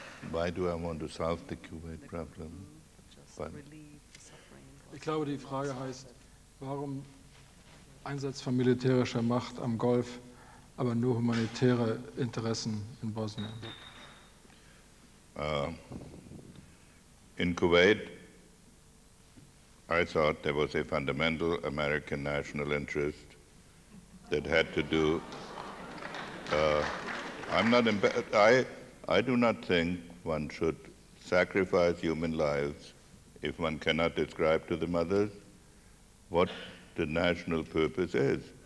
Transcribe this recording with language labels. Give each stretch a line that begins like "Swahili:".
English: Why do I want to solve the Kuwait problem?
German: Ich glaube, die Frage heißt, warum Einsatz von militärischer Macht am Golf, aber nur humanitäre Interessen in Bosnien?
English: In Kuwait, I thought there was a fundamental American national interest that had to do... I do not think one should sacrifice human lives if one cannot describe to the mothers what the national purpose is.